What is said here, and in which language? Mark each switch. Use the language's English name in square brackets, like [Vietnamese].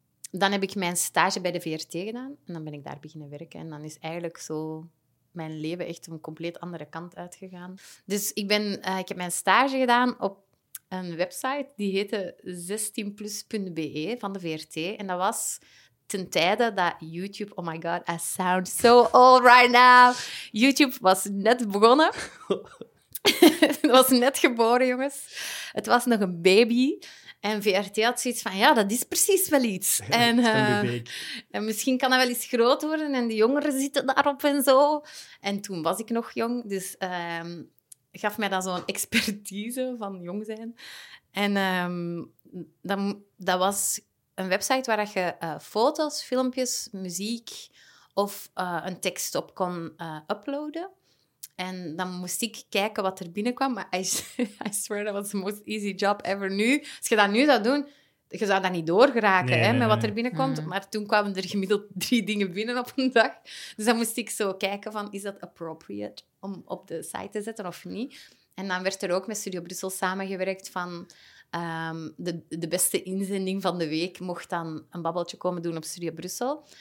[Dutch] dan heb ik mijn stage bij de VRT gedaan. En dan ben ik daar beginnen werken. En dan is eigenlijk zo... mijn leven echt een compleet andere kant uitgegaan. Dus ik heb mijn stage gedaan op een website die heette 16plus.be van de VRT. En dat was ten tijde dat YouTube... [English] Oh my god, I sound so old right now. [Dutch] YouTube was net begonnen. Het was net geboren, jongens. Het was nog een baby. En VRT had zoiets van, ja, dat is precies wel iets. En misschien kan dat wel iets groot worden en de jongeren zitten daarop en zo. En toen was ik nog jong, dus gaf mij dat zo'n expertise van jong zijn. En dat was een website waar je foto's, filmpjes, muziek of een tekst op kon uploaden. En dan moest ik kijken wat er binnenkwam. Maar [English] I swear, [Dutch] dat was [English] the most easy job ever [Dutch] nu. Als je dat nu zou doen, je zou dat niet doorgeraken met wat er binnenkomt. Mm-hmm. Maar toen kwamen er gemiddeld 3 dingen binnen op een dag. Dus dan moest ik zo kijken van, is dat appropriate om op de site te zetten of niet? En dan werd er ook met Studio Brussel samengewerkt van... de beste inzending van de week mocht dan een babbeltje komen doen op Studio Brussel.